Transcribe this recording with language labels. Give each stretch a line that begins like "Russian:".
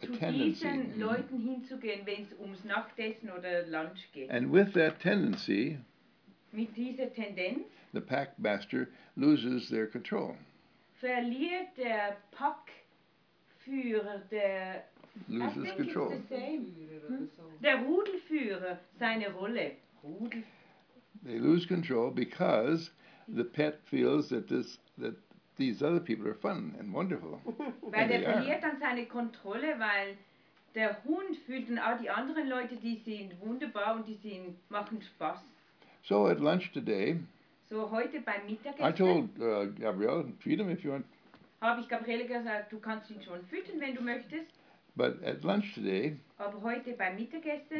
German: zu diesen Leuten hinzugehen, wenn es ums Nachtessen oder Lunch geht.
English: And with that tendency,
German: mit dieser Tendenz,
English: the pack master loses their control.
German: Verliert der Packführer der
English: loses control. The same.
German: Der Rudelführer seine Rolle.
English: They lose control because the pet feels that these other people are fun and wonderful.
German: Weil er verliert dann seine Kontrolle, weil der Hund fühlt dann auch die anderen Leute, die sind wunderbar und die sind machen Spaß.
English: So at lunch today.
German: So heute beim Mittagessen.
English: I told Gabrielle, feed him if you want.
German: Habe ich Gabrielle gesagt, du kannst ihn schon füttern, wenn du möchtest.
English: But at lunch today.
German: Aber heute beim Mittagessen.